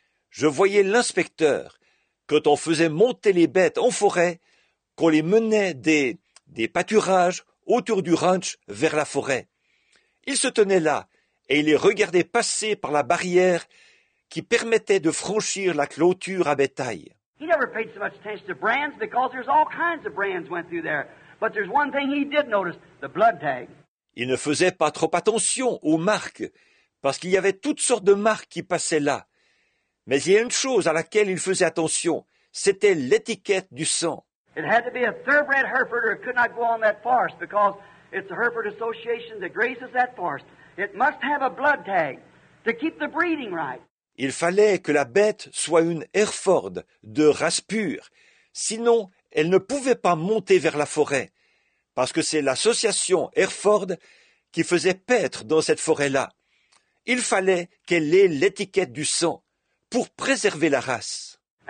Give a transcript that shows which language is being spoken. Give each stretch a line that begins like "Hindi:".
French: Je voyais l'inspecteur, quand on faisait monter les bêtes en forêt, qu'on les menait des pâturages autour du ranch vers la forêt. Il se tenait là et il les regardait passer par la barrière qui permettait de franchir la clôture à bétail.
English: He never paid so much attention to brands because there's all kinds of brands went through there. But there's one thing he did notice, the blood tag.
French: Il ne faisait pas trop attention aux marques, parce qu'il y avait toutes sortes de marques qui passaient là. Mais il y a une chose à laquelle il faisait attention, c'était l'étiquette du sang.
English: It had to be a thoroughbred Hereford or it could not go on that forest because it's the Hereford Association that grazes that forest. It must have a blood tag to keep the breeding right.
French: Il fallait que la bête soit une Hereford de race pure, sinon elle ne pouvait pas monter vers la forêt, parce que c'est l'association Hereford qui faisait paître dans cette forêt-là. Il fallait qu'elle ait l'étiquette du sang pour préserver la race.